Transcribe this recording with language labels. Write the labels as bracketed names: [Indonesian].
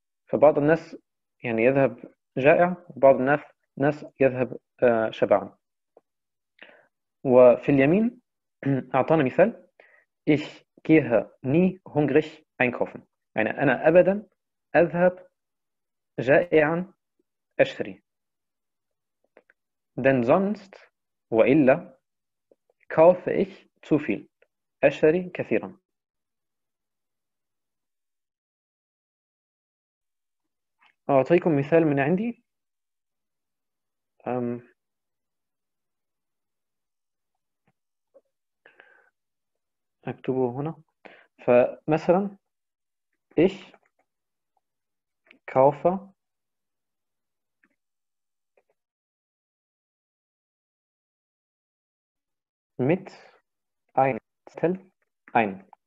[Arabic] فبعض الناس يعني يذهب جائع وبعض الناس يذهب شبعان. وفي اليمين أعطانا مثال Ich gehe nie hungrig einkaufen يعني أنا أبدا أذهب جائعا أشتري. [German] Denn sonst وإلا kaufe ich zu viel أشتري كثيرا. [Arabic] أعطيكم مثال من عندي أكتبه هنا. [German] فمثلا ich kaufe mit ein Zettel ein.